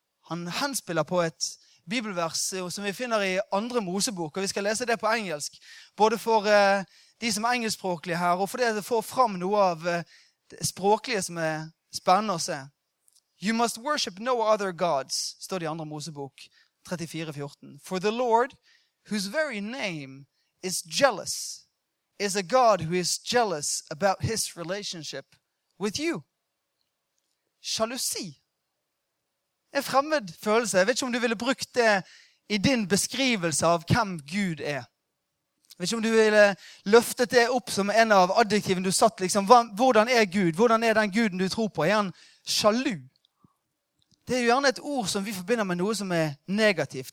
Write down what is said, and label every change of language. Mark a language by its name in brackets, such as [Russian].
[Norwegian] Han henspiller på et bibelvers som vi finner i andre Mosebok, og vi skal lese det på engelsk, både for de som er engelskspråklige her, og for det å få fram noe av det språklige som er spennende å se. [English] You must worship no other gods, [Norwegian] står det i andre Mosebok 34:14. [English] For the Lord, whose very name is jealous, is a God who is jealous about his relationship with you. [Norwegian] Jalousi. En fremmed følelse. Jeg vet ikke om du ville brukt det i din beskrivelse av hvem Gud er. Jeg vet ikke om du ville løftet det opp som en av adjektivene du satt. Liksom, hvordan er Gud? Hvordan er den guden du tror på? Er han sjalu? Det er jo gjerne et ord som vi forbinder med noe som er negativt.